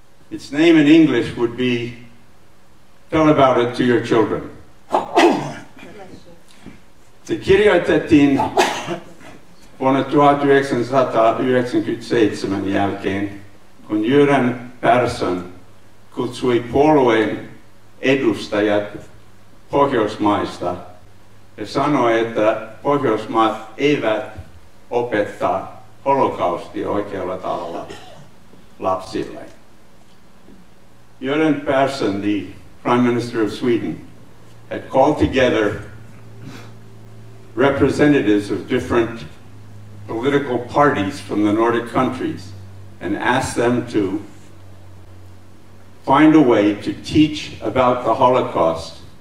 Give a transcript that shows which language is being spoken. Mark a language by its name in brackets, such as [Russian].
[English] Its name in English would be, tell about it to your children. [Finnish] Se kirjoitettiin vuonna 1997 jälkeen, kun Jyrän Persson kutsui puolueen edustajat Pohjoismaista ja sanoi, että Pohjoismaat eivät opeta holokaustia oikealla tavalla lapsille. [English] Jyrän Persson, the Prime Minister of Sweden, had called together representatives of different political parties from the Nordic countries and asked them to find a way to teach about the Holocaust